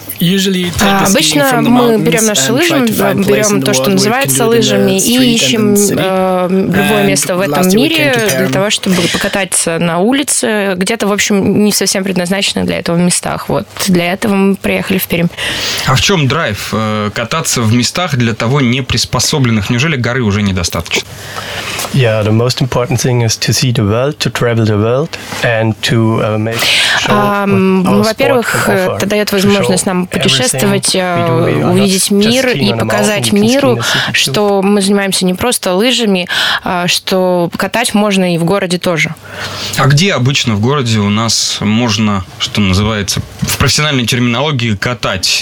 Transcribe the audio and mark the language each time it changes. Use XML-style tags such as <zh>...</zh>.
<ru>Обычно мы берем наши лыжи, берем то, что называется лыжами, и ищем любое место в этом мире для того, чтобы покататься на улице, где-то, в общем, не совсем предназначенных для этого местах. Вот для этого мы приехали в Пермь. А в чем драйв кататься в местах для того не приспособленных? Неужели горы уже недостаточно?</ru> <en>Yeah, the most important thing is to see the world, to travel the world, and to make sure.</en> <ru>Во-первых, это дает возможность нам путешествовать, увидеть мир и показать миру, что мы занимаемся не просто лыжами, а что катать можно и в городе тоже. А где обычно в городе у нас можно, что называется, в профессиональной терминологии катать?</ru>